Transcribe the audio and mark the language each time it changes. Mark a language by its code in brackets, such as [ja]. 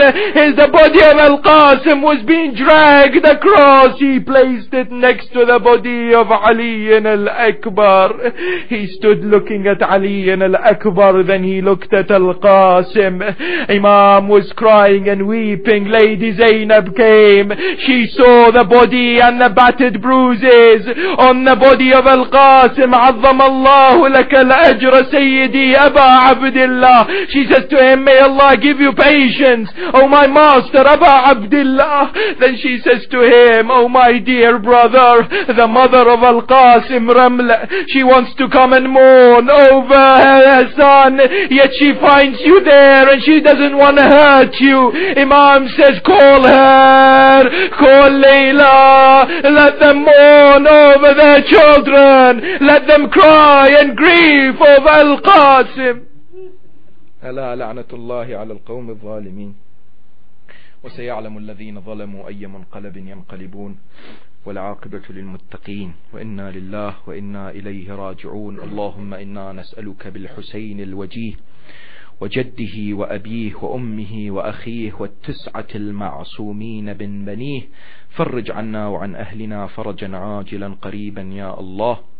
[en] As the body of Al-Qasim was being dragged across, he placed it next to the body of Ali and Al-Akbar. He stood looking at Ali and Al-Akbar, then he looked at Al-Qasim. Imam was crying and weeping. Lady Zainab came. She saw the body and the battered bruises on the body of Al-Qasim. [ar] عظم الله لك الأجر سيدي أبا عبد الله. [en] She says to him, may Allah give you patience, oh my master Abu Abdullah. Then she says to him, oh my dear brother, the mother of Al-Qasim Ramla, she wants to come and mourn over her son, yet she finds you there and she doesn't want to hurt you. Imam says, call her, call Layla, let them mourn over their children, let them cry and grieve over Al-Qasim. [ar] ألا لعنة الله على القوم الظالمين وسيعلم الذين ظلموا أي منقلب ينقلبون والعاقبة للمتقين وإنا لله وإنا إليه راجعون. اللهم إنا نسألك بالحسين الوجيه وجده وأبيه وأمه وأخيه والتسعة المعصومين بن بنيه فرج عنا وعن أهلنا فرجا عاجلا قريبا يا الله.